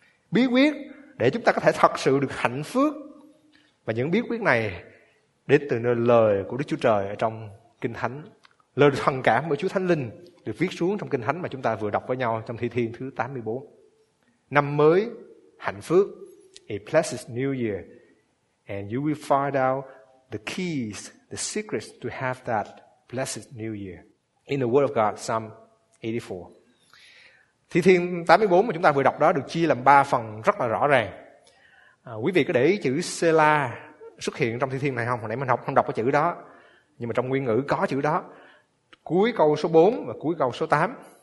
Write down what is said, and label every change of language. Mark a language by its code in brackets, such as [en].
[vi] Bí quyết để chúng ta có thể thật sự được hạnh phúc. Và những bí quyết này đến từ nơi lời của Đức Chúa Trời ở trong Kinh Thánh. Lời thần cảm của Chúa Thánh Linh được viết xuống trong Kinh Thánh mà chúng ta vừa đọc với nhau trong Thi Thiên thứ 84. Năm mới, hạnh phúc, [en] a blessed new year. And you will find out the keys, the secrets to have that blessed new year. In the word of God, Psalm 84. [vi] Thi Thiên 84 mà chúng ta vừa đọc đó được chia làm 3 phần rất là rõ ràng. Quý vị có để ý chữ Selah xuất hiện trong Thi Thiên này không? Hồi nãy mình học không đọc cái chữ đó, nhưng mà trong nguyên ngữ có chữ đó, cuối câu số 4 và cuối câu số 8.